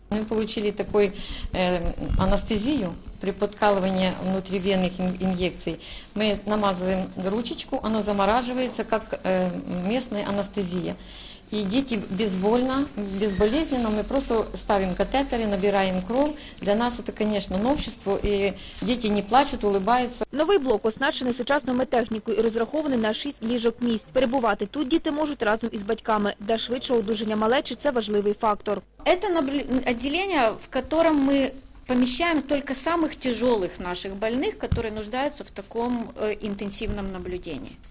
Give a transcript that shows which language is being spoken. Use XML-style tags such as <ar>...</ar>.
<ru>Мы получили такую анестезию. При подкалывании внутривенных инъекций мы намазываем ручечку, оно замораживается, как местная анестезия. И дети безбольно, безболезненно, мы просто ставим катетеры, набираем кровь. Для нас это, конечно, новшество, и дети не плачут, улыбаются.</ru> <uk>Новий блок оснащений сучасною технікою і розрахований на 6 ліжок-місць. Перебувати тут діти можуть разом із батьками. Для швидшого одужання малечі – це важливий фактор.</uk> <ru>Это отделение, в котором мы... помещаем только самых тяжелых наших больных, которые нуждаются в таком интенсивном наблюдении.</ru>